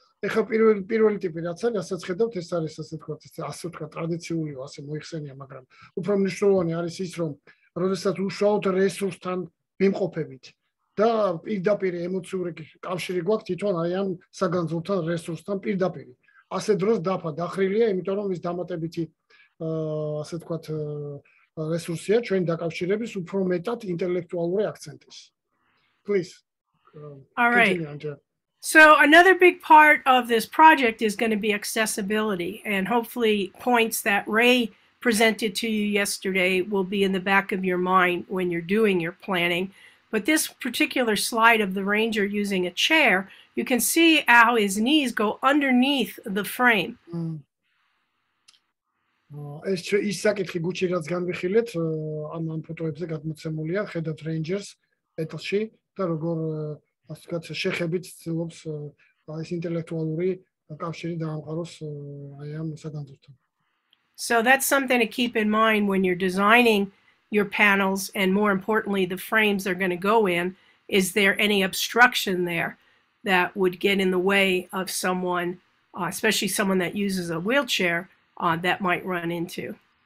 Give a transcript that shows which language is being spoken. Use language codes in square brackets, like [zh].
[ka] ეხლა პირველი ტიპი რაც არის, ასე ხედავთ, ეს არის ასე ვთქვათ, ასე ვთქვათ, ტრადიციული, ასე მოიხსენია, მაგრამ უფრო მნიშვნელოვანი არის ის, რომ როდესაც უშუალოდ რესურსთან მიმყოფებით და პირდაპირ ემოციური კავშირი გვაქვს თვითონ აი ამ საგანძურთან რესურსთან პირდაპირ. ასე დროს დაფა დახრილია, იმიტომ რომ ის დამატებითი ასე ვთქვათ რესურსია ჩვენ დაკავშირების უფრო მეტად ინტელექტუალური აქცენტის. [en] Please. All right. So another big part of this project is going to be accessibility, and hopefully points that Ray presented to you yesterday will be in the back of your mind when you're doing your planning. But this particular slide of the ranger using a chair, you can see how his knees go underneath the frame. [ka] ეს ის საკითხი გუჩი რაც განვიხილეთ ამ ფოტოებზე გადმოცემულია, ხედავთ რეინჯერს ეტლში და როგორ ასე ვთქვათ შეხებით ცდილობს აი ეს ინტელექტუალური კავშირი დაამყაროს აი ამ საგანძურთან. [en] So that's something to keep in mind when you're designing your panels, and more importantly, the frames are going to go in. Is there any obstruction there that would get in the way of someone, especially someone that uses a wheelchair, that might run into?